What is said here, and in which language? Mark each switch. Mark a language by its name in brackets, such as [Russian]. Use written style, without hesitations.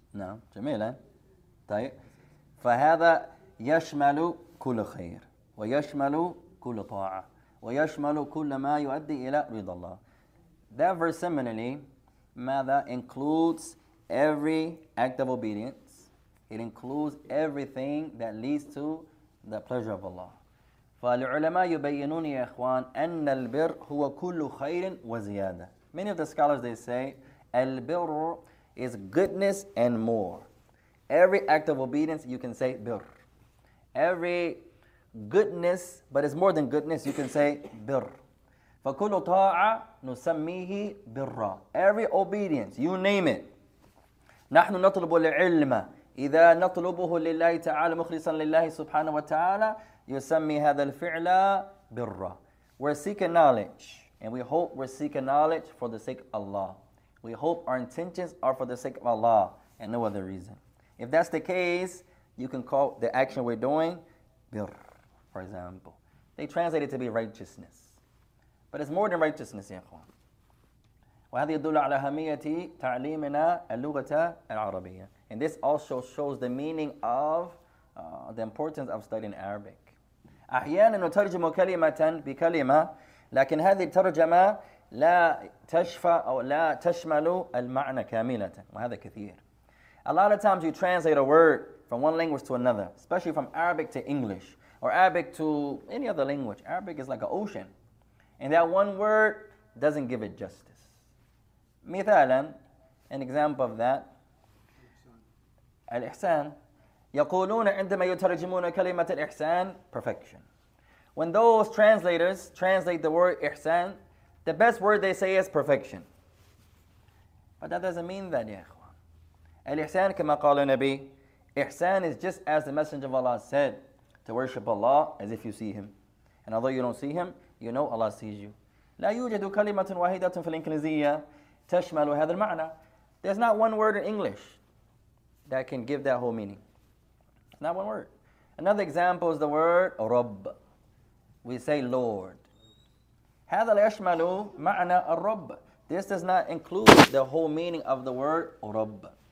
[Arabic] نعم جميل طيب فهذا يشمل كل خير ويشمل كل طاعه ويشمل كل ما يؤدي الى رضا الله That verse similarly, ماذا includes every act of obedience. [English] It includes everything that leads to the pleasure of Allah. [Arabic] فالعلماء يبينون يا إخوان أن البر هو كل خير وزيادة. [English] Many of the scholars they say البر is goodness and more. Every act of obedience you can say بر. Every goodness, but it's more than goodness, you can say بر. [Arabic] فكل طاعة نسميه برا. [English] Every obedience, you name it. [Arabic] نحن نطلب العلم. إذا نطلبه لله تعالى مخلصا لله سبحانه وتعالى يسمي هذا الفعل برا. [English] We're seeking knowledge. And we hope we're seeking knowledge for the sake of Allah. We hope our intentions are for the sake of Allah and no other reason. If that's the case, you can call the action we're doing بر, for example. They translate it to be righteousness. But it's more than righteousness, يا إخوان. [Arabic] وهذا يدل على أهمية تعليمنا اللغة العربية. [English] And this also shows the meaning of the importance of studying Arabic. [Arabic] أحيانا نترجم كلمة بكلمة، لكن هذه الترجمة لا تشفى أو لا تشمل المعنى كاملة. وهذا كثير. [English] A lot of times you translate a word from one language to another, especially from Arabic to English or Arabic to any other language. Arabic is like an ocean. And that one word doesn't give it justice. مثالا, an example of that. [Arabic] الإحسان. يقولون عندما يترجمون كلمة الإحسان, perfection. [English] When those translators translate the word إحسان, the best word they say is perfection. But that doesn't mean that, يا إخوان. الإحسان كما قال النبي, إحسان is just as the Messenger of Allah said, to worship Allah as if you see him. And although you don't see him, you know Allah sees you. [Arabic] لا يوجد كلمة واحدة في الإنجليزية تشمل هذا المعنى. [English] There's not one word in English that can give that whole meaning. It's not one word. Another example is the word رب. We say Lord. [Arabic] هذا لا يشمل معنى الرب. [English] This does not include the whole meaning of the word رب.